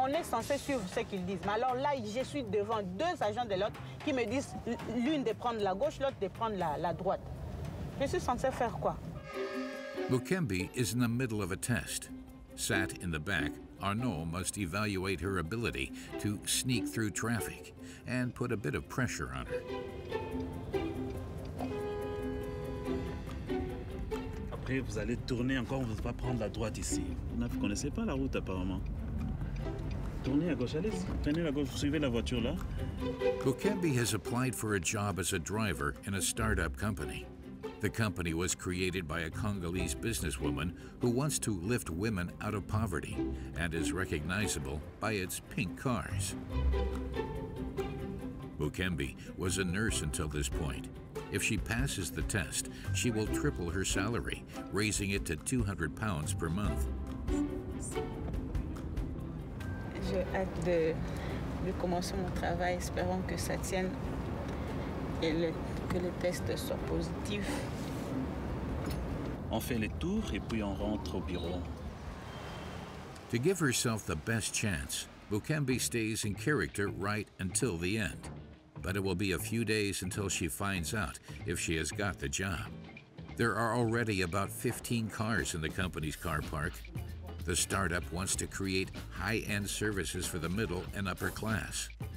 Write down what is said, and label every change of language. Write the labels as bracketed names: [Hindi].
[French] On est censé suivre ce qu'ils disent. Mais alors là, je suis devant deux agents de l'ordre qui me disent l'une de prendre la gauche, l'autre de prendre la droite. Je suis censé faire quoi? [English] Mukembi is in the middle of a test. Sat in the back, Arnaud must evaluate her ability to sneak through traffic and put a bit of pressure on her. [French] Après, vous allez tourner encore, vous ne pouvez pas prendre la droite ici. Vous ne connaissez pas la route, apparemment. Tournez à gauche, allez, tenez la gauche, suivez la voiture là. [English] Kokembi has applied for a job as a driver in a startup company. The company was created by a Congolese businesswoman who wants to lift women out of poverty and is recognizable by its pink cars. Mukembi was a nurse until this point. If she passes the test, she will triple her salary, raising it to £200 per month. [French] J'ai hâte de commencer mon travail, espérant que ça tienne et que le test soit positif. On fait les tours et puis on rentre au bureau. [English] To give herself the best chance, Mukembi stays in character right until the end. But it will be a few days until she finds out if she has got the job. There are already about 15 cars in the company's car park. The startup wants to create high-end services for the middle and upper class.